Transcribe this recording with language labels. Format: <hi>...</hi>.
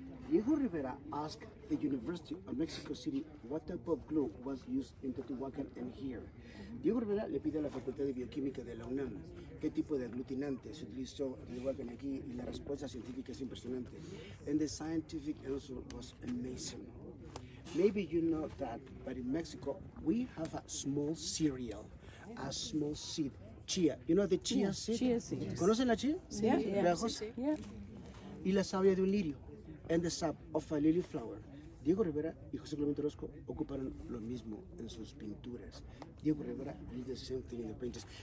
<en>Diego Rivera asked the University of Mexico City what type of glue was used in Teotihuacan and here.</en> <es>Diego Rivera le pide a la Facultad de Bioquímica de la UNAM qué tipo de aglutinante se utilizó en Teotihuacan aquí y la respuesta científica es impresionante.</es> <en>And the scientific answer was amazing. Maybe you know that, but in Mexico we have a small cereal, a small seed, chia. You know the chia yeah, seed? Chia seed. Yes.</en> <es>¿Conocen la chia? Sí. Yeah. La rosa. Yeah. Y la savia de un lirio.</es> <en>And the sap of a lily flower.</en> <es>Diego Rivera y José Clemente Orozco ocuparon lo mismo en sus pinturas.</es> <en>Diego Rivera did the same thing in the paintings.</en>